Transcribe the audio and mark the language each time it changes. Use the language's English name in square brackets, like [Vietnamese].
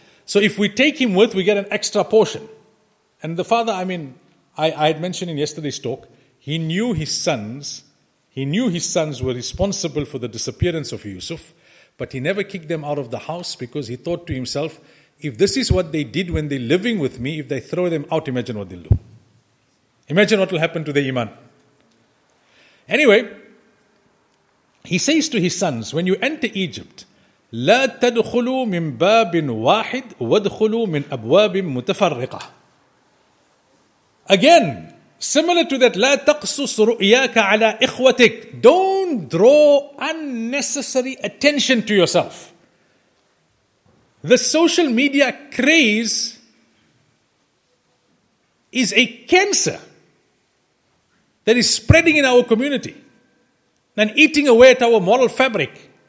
[English] So if we take him with, we get an extra portion. And the father, I mean, I had mentioned in yesterday's talk, he knew his sons were responsible for the disappearance of Yusuf, but he never kicked them out of the house because he thought to himself, if this is what they did when they're living with me, if they throw them out, imagine what they'll do. Imagine what will happen to the iman. Anyway, he says to his sons, when you enter Egypt, [Arabic] لا تدخلوا من باب واحد وادخلوا من أبواب متفرقة. [English] Again, similar to that, [Arabic] لا تقصص رؤياك على إخوتك. [English] Don't draw unnecessary attention to yourself. The social media craze is a cancer that is spreading in our community and eating away at our moral fabric.